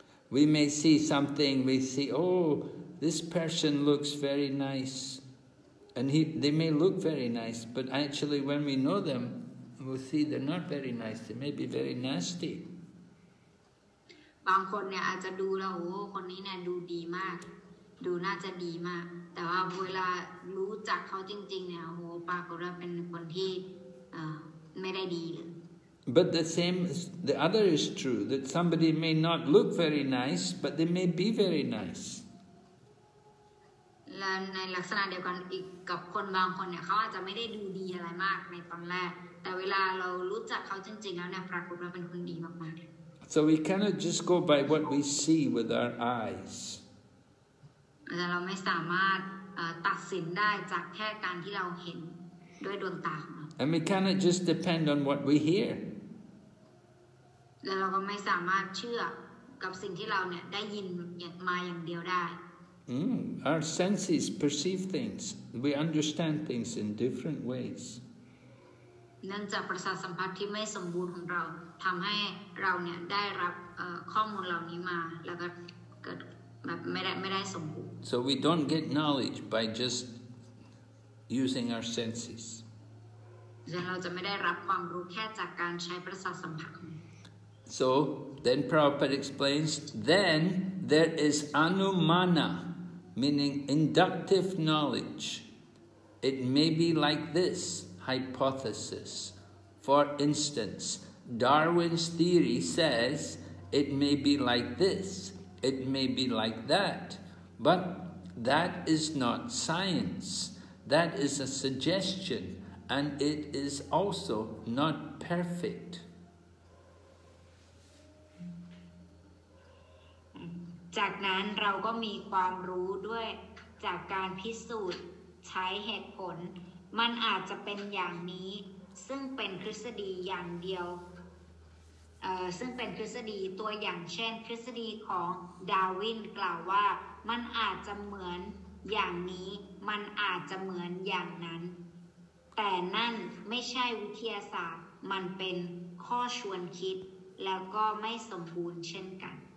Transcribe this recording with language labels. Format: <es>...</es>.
<en>We may see something, we see, oh, this person looks very nice. And they may look very nice, but actually when we know them, we'll see they're not very nice, they may be very nasty.</en> <th>บางคนเนี่ยอาจจะดูแล้วโอ้คนนี้เนี่ยดูดีมากดูน่าจะดีมากแต่ว่าเวลารู้จักเขาจริงๆเนี่ยโอปากรเป็นคนที่ไม่ได้ดีเลย</th> <en>But the same, the other is true that somebody may not look very nice, but they may be very nice.</en> <th>และในลักษณะเดียวกันอีกกับคนบางคนเนี่ยเขาอาจจะไม่ได้ดูดีอะไรมากในตอนแรกแต่เวลาเรารู้จักเขาจริงๆแล้วเนี่ยปรากฏว่าเป็นคนดีมาก</th> <en>ๆ So we cannot just go by what we see with our eyes.</en> <th>แต่เราไม่สามารถตัดสินได้จากแค่การที่เราเห็นด้วยดวงตา</th> <en>And we cannot just depend on what we hear.</en> <th>แล้วเราก็ไม่สามารถเชื่อกับสิ่งที่เราเนี่ยได้ยินมาอย่างเดียวได้</th> <en>Our senses perceive things. We understand things in different ways.</en> <th>เนื่องจากประสาทสัมผัสที่ไม่สมบูรณ์ของเราทำให้เราเนี่ยได้รับข้อมูลเหล่านี้มาแล้วก็เกิดแบบไม่ได้สมบูรณ์</th> <en>So we don't get knowledge by just using our senses.</en> <th>เราจะไม่ได้รับความรู้แค่จากการใช้ประสาทสัมผัส</th> <en>So then Prabhupada explains then there is anumana meaning inductive knowledge it may be like this hypothesis for instance Darwin's theory says it may be like this it may be like that but that is not science that is a suggestionAnd it is also not perfect.</en> <th>จากนั้นเราก็มีความรู้ด้วยจากการพิสูจน์ใช้เหตุผลมันอาจจะเป็นอย่างนี้ซึ่งเป็นทฤษฎีอย่างเดียวซึ่งเป็นทฤษฎีตัวอย่างเช่นทฤษฎีของดาร์วินกล่าวว่ามันอาจจะเหมือนอย่างนี้มันอาจจะเหมือนอย่างนั้นแต่นั่นไม่ใช่วิทยาศาสตร์มันเป็นข้อชวนคิดแล้วก็ไม่สมบูรณ์เช่นกัน</th>